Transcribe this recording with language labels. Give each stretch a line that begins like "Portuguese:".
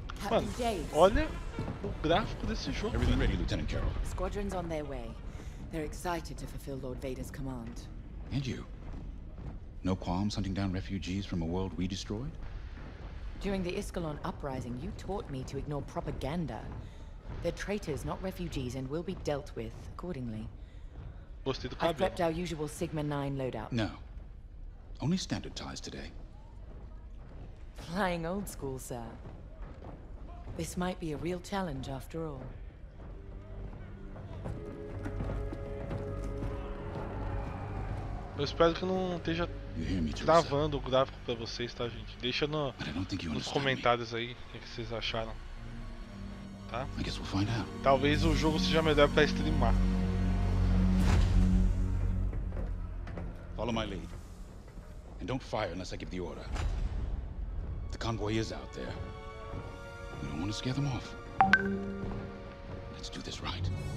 Portuguese: Mano, olha o gráfico desse jogo.
English: Everything ready, Lieutenant Carroll. Squadrons on their way. They're excited to fulfill Lord Vader's command. And you? No qualms hunting down refugees from a world we destroyed? During the Iskallon uprising, you taught me to ignore propaganda. They're traitors, not refugees, and will be dealt with accordingly. Busted the cabin. I've prepped our usual Sigma 9 loadout. No. Only standard ties today. Flying old school, sir. This might be a real challenge after all.
Portuguese: Eu espero que não esteja travando o gráfico pra vocês, tá, gente? Deixa no, nos comentários aí o que vocês acharam. Tá? Talvez o jogo seja melhor pra streamar.
English: Follow my lead. And don't fire unless I give the order. The convoy is out there. We don't want to scare them off. Let's do this right.